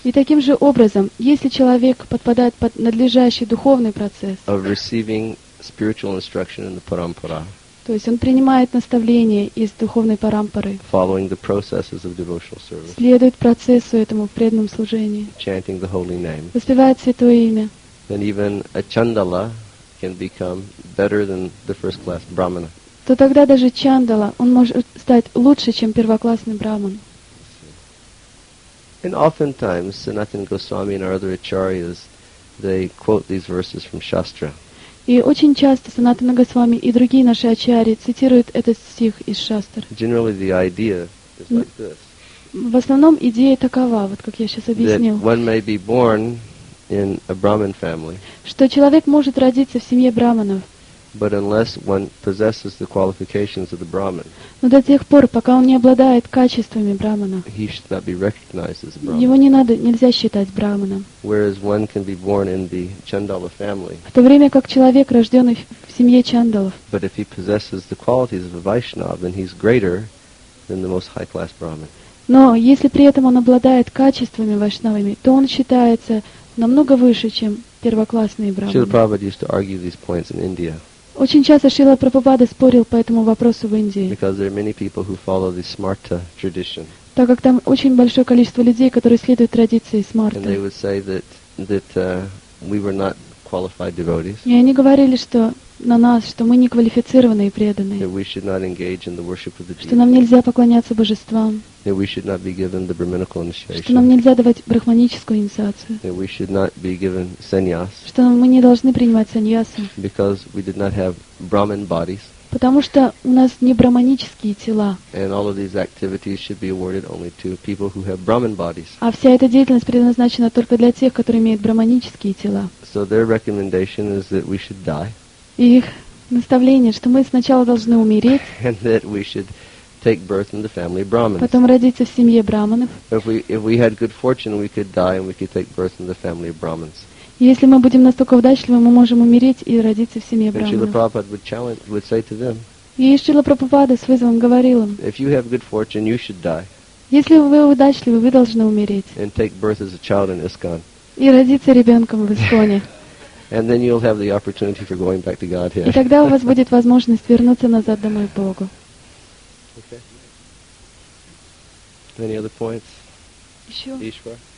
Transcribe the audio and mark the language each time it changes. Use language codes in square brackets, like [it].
[ru] и таким же образом, если человек подпадает под надлежащий духовный процесс, [en] of receiving spiritual instruction in the parampara, [ru] то есть он принимает наставление из духовной парампары, [en] following the processes of devotional service, [ru] следует процессу этому в преданном служении, [en] chanting the holy name, [ru] воспевает святое имя, [en] then even a chandala can become better than the first class brahmana. [ru] То тогда даже чандала, он может стать лучше, чем первоклассный брахман. [en] And oftentimes, Sanatana Goswami and our other acharyas, they quote these verses from Shastra. [ru] И очень часто Санатана Госвами и другие наши ачарьи цитируют этот стих из Шастр. [en] Generally, the idea is like this. [ru] В основном идея такова, вот как я сейчас объяснил. [en] That one may be born in a Brahmin family. [ru] Что человек может родиться в семье брахманов. [en] But unless one possesses the qualifications of the Brahman, [ru] но до тех пор, пока он не обладает качествами брахмана, [en] he should not be recognized as a Brahman. [ru] Его не надо, нельзя считать брахманом. [en] Whereas one can be born in the Chandala family. [ru] В то время как человек, рожденный в семье Чандалов. [en] But if he possesses the qualities of a Vaishnava, then he's greater than the most high-class Brahman. [ru] Но если при этом он обладает качествами вайшнавами, то он считается намного выше, чем первоклассные брахманы. [en] Srila Prabhupada used to argue these points in India. [ru] Очень часто Шрила Прабхупада спорил по этому вопросу в Индии. [en] Because there are many people who follow the Smarta tradition. [ru] Так как там очень большое количество людей, которые следуют традиции Смарта. [en] And they would say that we were not qualified devotees. [ru] И они говорили, что на нас, что мы не квалифицированные преданные. [en] That we should not engage in the worship of the deity. [ru] Что нам нельзя поклоняться божествам. [en] That we should not be given the brahminical initiation. [ru] Что нам нельзя давать брахманическую инициацию. [en] That we should not be given sannyas. [ru] Что мы не должны принимать саньясы. [en] Because we did not have brahmin bodies. [ru] Потому что у нас не брахманические тела. [en] And all of these activities should be awarded only to people who have Brahman bodies. [ru] А вся эта деятельность предназначена только для тех, которые имеют брахманические тела. [en] So their recommendation is that we should die. [ru] Их наставление, что мы сначала должны умереть. [en] And that we should take birth in the family of Brahmins. [ru] Потом родиться в семье брахманов. [en] If we had good fortune, we could die and we could take birth in the family of Brahmins. [ru] Если мы будем настолько удачливы, мы можем умереть и родиться в семье брахманов. И Шрила Прабхупада с вызовом говорил им, [en] if you have good fortune, you should die. [ru] Если вы удачливы, вы должны умереть. [en] And take birth as a child in ISKCON. [ru] И родиться ребенком в Исконе. [en] And then you'll have the opportunity for going back to Godhead. [ru] И тогда у вас будет возможность вернуться назад домой к Богу. [en] Okay. Any other points? [ru] Еще. Ишвар.